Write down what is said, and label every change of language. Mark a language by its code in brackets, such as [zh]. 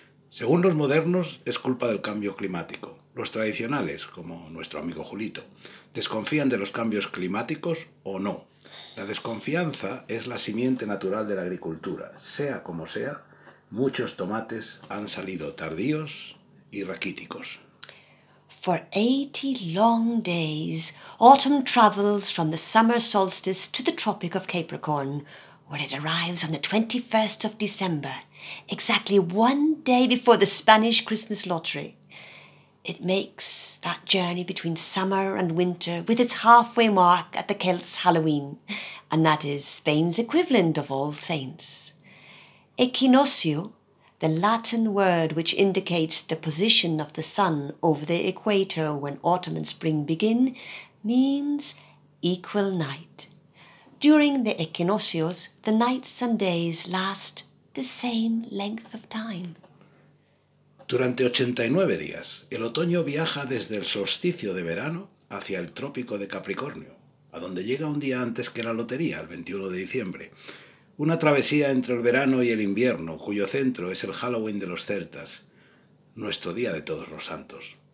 [es] Según los modernos, es culpa del cambio climático. Los tradicionales, como nuestro amigo Julito, ¿desconfían de los cambios climáticos o no? La desconfianza es la simiente natural de la agricultura. Sea como sea, muchos tomates han salido tardíos y raquíticos. [en] For 80 long days, autumn travels from the summer solstice to the Tropic of Capricorn, where it arrives on the 21st of December, exactly one day before the Spanish Christmas lottery. It makes that journey between summer and winter with its halfway mark at the Celts' Halloween, and that is Spain's equivalent of All Saints. Equinoccio, the Latin word which indicates the position of the sun over the equator when autumn and spring begin, means equal night. During the equinoccios, the nights and days last the same length of time. [es] Durante 89 días, el otoño viaja desde el solsticio de verano hacia el trópico de Capricornio, a donde llega un día antes que la lotería, el 21 de diciembre. Una travesía entre el verano y el invierno, cuyo centro es el Halloween de los celtas, nuestro día de todos los santos.